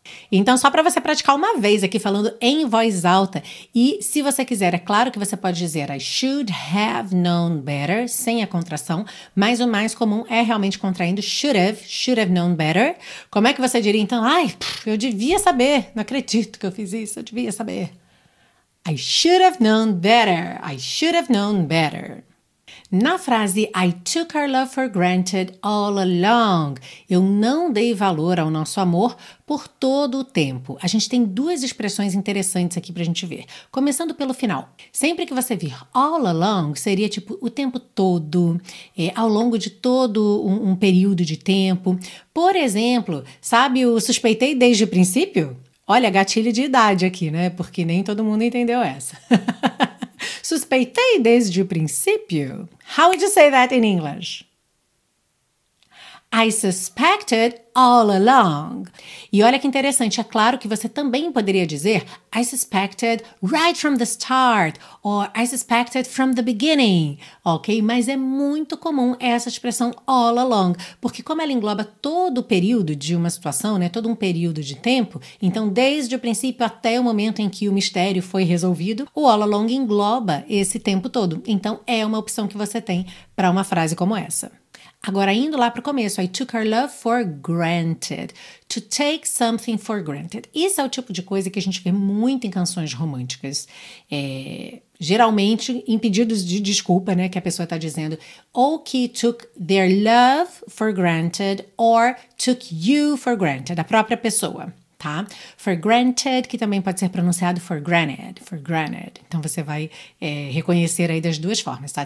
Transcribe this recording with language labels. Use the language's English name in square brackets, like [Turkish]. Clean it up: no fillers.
[Portuguese] Então, só para você praticar uma vez aqui falando em voz alta, e se você quiser, é claro que você pode dizer [English] I should have known better, [Portuguese] sem a contração, mas o mais comum é realmente contraindo should have known better. Como é que você diria então? Ai, eu devia saber, não acredito que eu fiz isso, eu devia saber. [English] I should have known better, I should have known better. [Portuguese] Na frase, [English] I took our love for granted all along. [Portuguese] Eu não dei valor ao nosso amor por todo o tempo. A gente tem duas expressões interessantes aqui pra gente ver. Começando pelo final. Sempre que você vir all along, seria tipo o tempo todo, ao longo de todo um período de tempo. Por exemplo, sabe o suspeitei desde o princípio? Olha, gatilho de idade aqui, né? Porque nem todo mundo entendeu essa. Suspeitei desde o princípio. [English] How would you say that in English? I suspected all along. [Portuguese] E olha que interessante, é claro que você também poderia dizer [English] I suspected right from the start, or I suspected from the beginning, ok? [Portuguese] Mas é muito comum essa expressão all along, porque como ela engloba todo o período de uma situação, né, todo um período de tempo, então desde o princípio até o momento em que o mistério foi resolvido, o all along engloba esse tempo todo, então é uma opção que você tem para uma frase como essa. Agora, indo lá para o começo, [English] I took our love for granted. To take something for granted. [Portuguese] Isso é o tipo de coisa que a gente vê muito em canções românticas. Geralmente, em pedidos de desculpa, né, que a pessoa está dizendo, ou que [English] took their love for granted, or took you for granted, [Portuguese] a própria pessoa. Tá? For granted, que também pode ser pronunciado for granted, então você vai reconhecer aí das duas formas, tá?